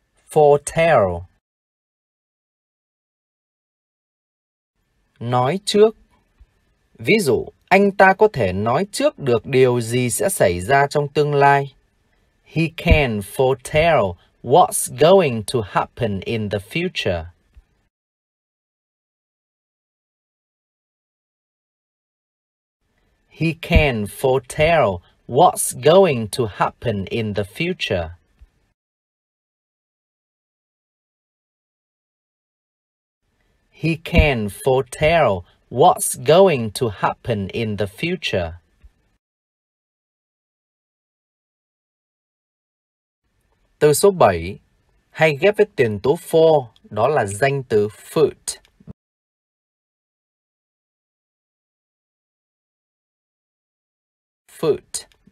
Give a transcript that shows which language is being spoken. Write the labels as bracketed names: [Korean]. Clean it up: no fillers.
[English] Foretell. [Vietnamese] Nói trước. Ví dụ, anh ta có thể nói trước được điều gì sẽ xảy ra trong tương lai. [English] He can foretell what's going to happen in the future. He can foretell what's going to happen in the future. He can foretell what's going to happen in the future. [Vietnamese] Từ số 7, hay ghép với tiền tố for, đó là danh từ foot. [English] Foot.